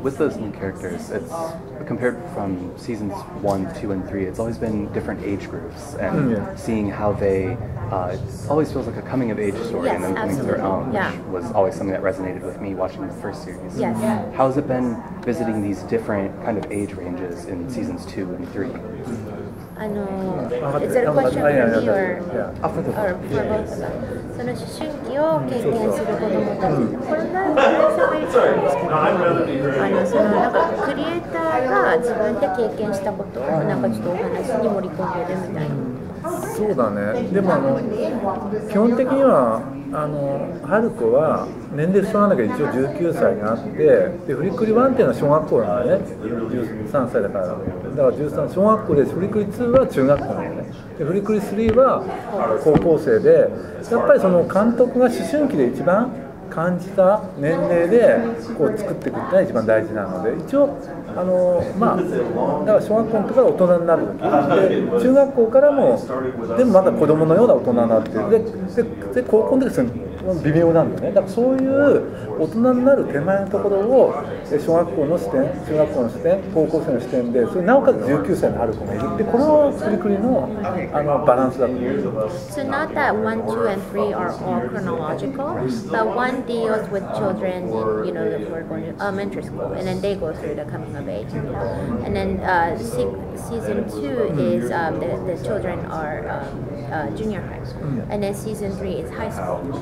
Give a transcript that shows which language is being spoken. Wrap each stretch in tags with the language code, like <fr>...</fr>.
<en>With those new characters, it's compared from seasons 1, 2, and 3, it's always been different age groups, and seeing how they, it always feels like a coming of age story, yes, and then coming to their own, which was always something that resonated with me watching the first series. Yes. How has it been visiting these different kind of age ranges in seasons 2 and 3? Is there a question for me or for both of them?</en> <ja>その思春期を経験する子どもたちこれなんて話せばいいと思うんですけど、なんかクリエイターが自分で経験したことをなんかちょっとお話に盛り込んでるみたいな。そうだね。でも基本的には春子は年齢層の中で一応19歳があって、でフリクリ1っていうのは小学校なんだね。 13歳だから、だから13小学校で、フリクリ2は中学校なんだね。でフリクリ3は高校生で、やっぱりその監督が思春期で一番感じた年齢でこう作っていくっていうのが一番大事なので、一応だから小学校とか大人になる、で中学校からもでもまだ子供のような大人になってる、で高校の時は微妙なんだよね。だからそういう大人になる手前のところを小学校の視点、中学校の視点、高校生の視点で、それなおかつ19歳のある子もいるって、これはクリクリの、あのバランスだと思う。</ja> <en>So not that 1, 2, and 3 are all chronological, but 1 deals with children in, you know, who are going to elementary school, and then they go through the coming of age. And then season 2 is the children are junior high, and then season 3 is high school.</en>